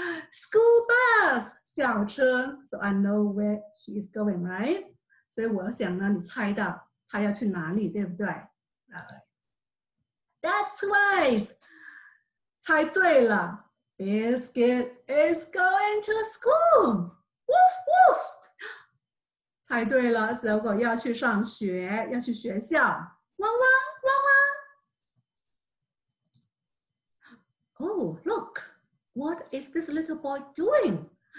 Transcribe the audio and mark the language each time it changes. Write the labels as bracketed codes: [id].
[en] School bus, 校车 So I know where he is going, right? [zh] 所以我想呢，你猜到他要去哪里，对不对？ [en] That's right, [zh] 猜对了 [en] Biscuit is going to school. Woof, woof. [zh] 猜对了，小狗要去上学，要去学校。 [en] 汪汪汪汪！Oh, look, what is this little boy doing?